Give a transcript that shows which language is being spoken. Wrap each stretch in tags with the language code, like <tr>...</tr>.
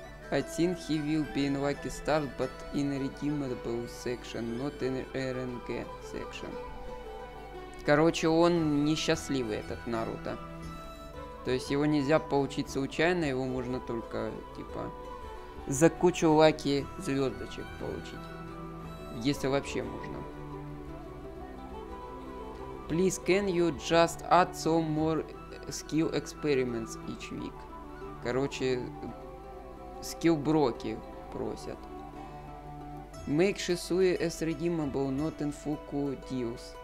<en>I think he will be in lucky star, but in redeemable section, not in RNG section.</en> <ru>Короче, он несчастливый, этот Наруто. То есть его нельзя получить случайно, его можно только, типа, за кучу лаки звездочек получить. Если вообще можно.</ru> <en>Please, can you just add some more skill experiments each week?</en> <ru>Короче, скиллброки просят.</ru> <en>Make Shisui as redeemable, not in Fuku deals.</en>